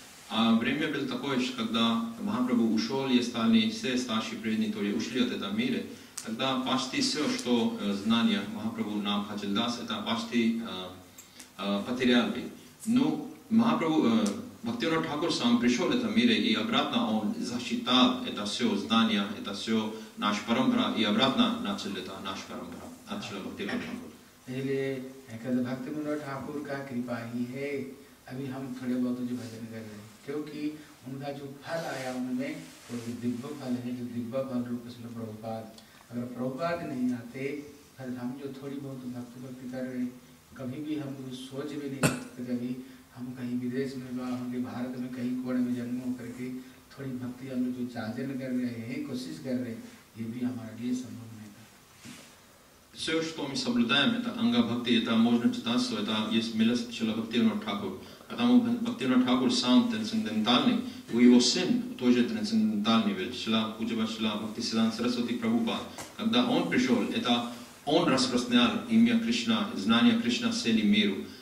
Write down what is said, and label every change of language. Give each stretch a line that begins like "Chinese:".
Russian: А время было такое, что когда Махапрабху ушел, и стали все старшие преданные, то есть ушли от этого мира, тогда почти все, что знания Махапрабху нам хотел дать, это почти потеряли. Но Махапрабху, Бхактивинода Тхакур сам пришел в этом мире, и обратно он засчитал это все знания, это все наш парампара, и обратно начал это наш парампара, начал Бхактивинода Тхакур.
Hindi: Когда Бхактивинода Тхакур का कृपा ही है, अभी हम थोड़े बहुत जो भजन कर रहे हैं, क्योंकि उनका जो फल आया उनमें वो दिव्य फल है, जो दिव्य फल रूप से प्रभुपाद, अगर प्रभुपाद नहीं आते फिर हम जो थोड़ी बहुत भक्ति भक्ति कर रहे हैं, कभी भी हम सोच भी नहीं सकते, कभी हम कहीं विदेश में वा होंगे, भारत में कहीं कोने में जन्म होकर के थोड़ी भक्ति हम जो जाजन कर रहे हैं, कोशिश कर रहे हैं, ये भी हमारे लिए संभव नहीं था।
Russian: Все, что мы соблюдаем, это Анга Бхакти, это можно читать, что это есть милость Шрила Бхактивинода Тхакура. Потому что Бхактивинода Тхакур сам трансцендентальный, у его сын тоже трансцендентальный, ведь Шрила Пуджава Шрила Бхактисиддханта Сарасвати Прабхупада. Когда он пришел, это он распространял имя Кришна, знание Кришна цели миру.